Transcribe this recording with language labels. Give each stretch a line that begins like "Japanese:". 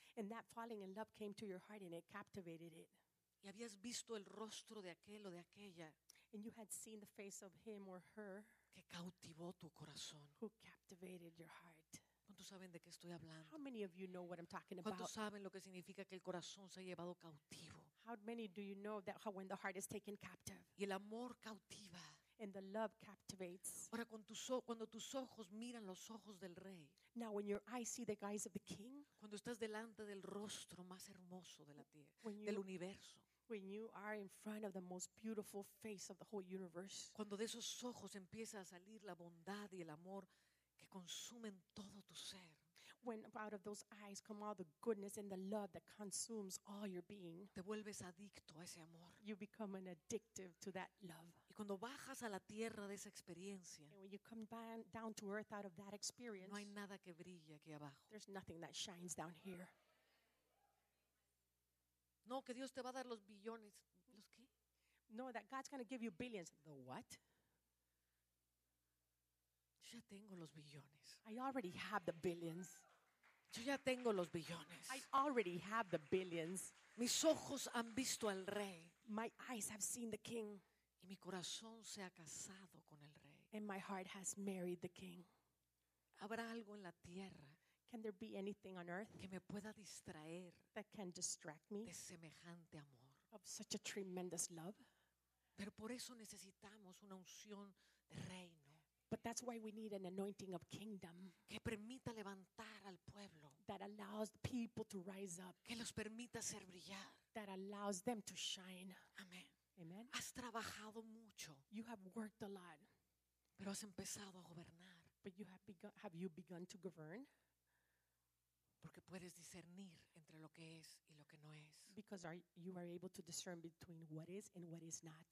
English: And that falling in love came to your heart and it captivated it.
Spanish: Y habías visto el rostro de aquel o de aquella.
English: And you had seen the face of him or her.
Spanish: Que cautivó tu corazón.
English: Who captivated your heart.
Spanish: ¿Cuántos saben de qué estoy hablando?
English: How many of you know what I'm talking
Spanish: ¿Cuántos
English: about?
Spanish: Saben lo que significa que el corazón se ha llevado cautivo?
English: How many do you know that how when the heart is taken captive?
Spanish: Y el amor cautiva.
English: And the love captivates.
Spanish: Ahora cuando tus ojos miran los ojos del rey.
English: Now when your eyes see the eyes of the king.
Spanish: Cuando estás delante del rostro más hermoso de la tierra, del universo.
English: When you are in front of the most beautiful face of the whole universe.
Spanish: Cuando de esos ojos empieza a salir la bondad y el amor que consumen todo tu ser.
English: When out of those eyes come all the goodness and the love that consumes all your being.
Spanish: Te vuelves adicto a ese amor.
English: You become an addictive to that love.
Spanish: Y cuando bajas a la tierra de esa experiencia.
English: And when you come down to earth out of that experience.
Spanish: No hay nada que brille aquí abajo.
English: There's nothing that shines down here.
Spanish: No, que Dios te va a dar los billones. ¿Los qué?
English: No, that God's going to give you billions. The what?
Spanish: Yo ya tengo los billones.
English: I already have the billions.
Spanish: Yo ya tengo los billones.
English: I already have the billions.
Spanish: Mis ojos han visto al rey.
English: My eyes have seen the king.
Spanish: Y mi corazón se ha casado con el rey.
English: And my heart has married the king.
Spanish: ¿Habrá algo en la tierra?
English: Can there be anything on earth?
Spanish: Que me pueda distraer.
English: That can distract me.
Spanish: De semejante amor.
English: Of such a tremendous love.
Spanish: Pero por eso necesitamos una unción de reino.
English: But that's why we need an anointing of kingdom
Spanish: que permita levantar al pueblo,
English: that allows people to rise up,
Spanish: que los permita hacer brillar,
English: that allows them to shine.
Spanish: Amen.
English: Amen.
Spanish: Has trabajado mucho,
English: you have worked a lot,
Spanish: pero has empezado a gobernar.
English: But you have begun. Have you begun to govern?
Spanish: Porque puedes discernir entre lo que es y lo que no es.
English: Because you are able to discern between what is and what is not.